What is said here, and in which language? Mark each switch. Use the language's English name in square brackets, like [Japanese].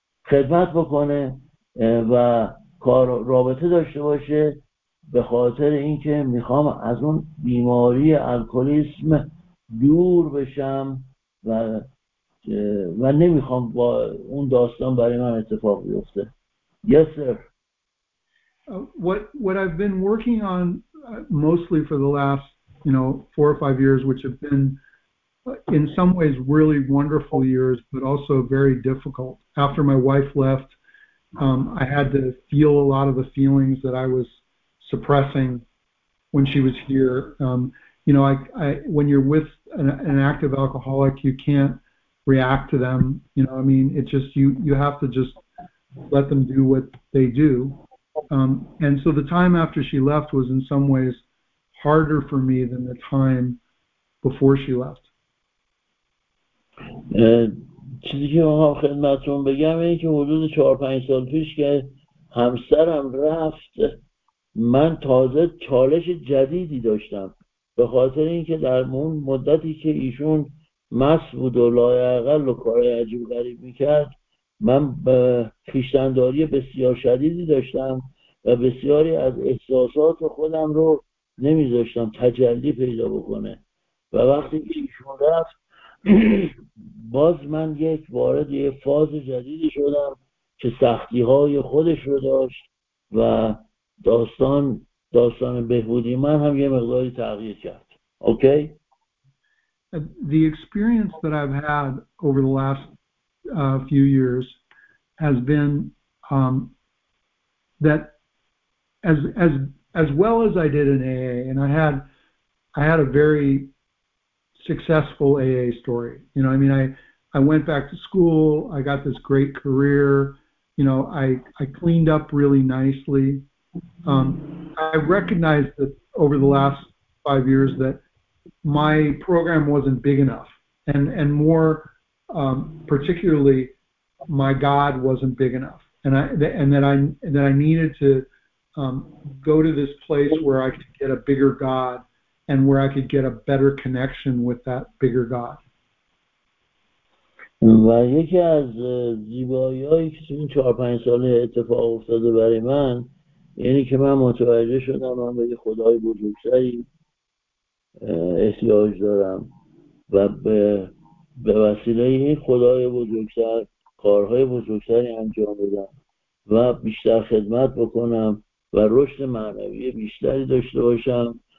[Persian] خدمت بکنه و کار رابطه داشته باشه، به خاطر اینکه میخوام از اون بیماری الکلیسم دور بشم و نمیخوام با اون داستان برای من اتفاق بیفته. [English] Yes, sir. What I've been working on mostly for the last, 4 or 5 years, which have been in some ways really wonderful years, but also very difficult. After my wife left, I had to feel a lot of the feelings that I was suppressing when she was here. You know, I when you're with an active alcoholic, you can't react to them. You know, I mean, it's just you have to just let them do what they do. And so the time after she left was in some ways harder for me than the time before she left. [Persian] چیزی که میخوام خدمتتون بگم اینه که حدود 4-5 سال پیش که همسرم رفت، من تازه چالش جدیدی داشتم، به خاطر اینکه در اون مدتی که ایشون مست بود و لایعقل و کارهای عجیب غریب میکرد، من خویشتنداری بسیار شدیدی داشتم و بسیاری از احساسات خودم رو نمیذاشتم تجلی پیدا بکنه، و وقتی که ایشون رفت باز من یک وارد یه فاز جدیدی شدم که سختی های خودش رو داشت و داستان بهبودی من هم یه مقداری تغییر کرد. [English] Okay? The experience that I've had over the last few years has been that as well as I did in AA, and I had a very successful AA story. You know, I mean, I went back to school. I got this great career. You know, I cleaned up really nicely. I recognized that over the last 5 years that my program wasn't big enough, and more particularly, my God wasn't big enough, and that I needed to go to this place where I could get a bigger God. And where I could get a better connection with that bigger God. [Persian] و یکی از زیبایی‌هایی که تو این 4-5 ساله اتفاق افتاده برای من اینه که من متوجه شدم من به خدای بزرگتری احتیاج دارم و به وسیله این خدای بزرگتر کارهای بزرگتری انجام بدم و بیشتر خدمت بکنم و رشد معنوی بیشتری داشته باشم.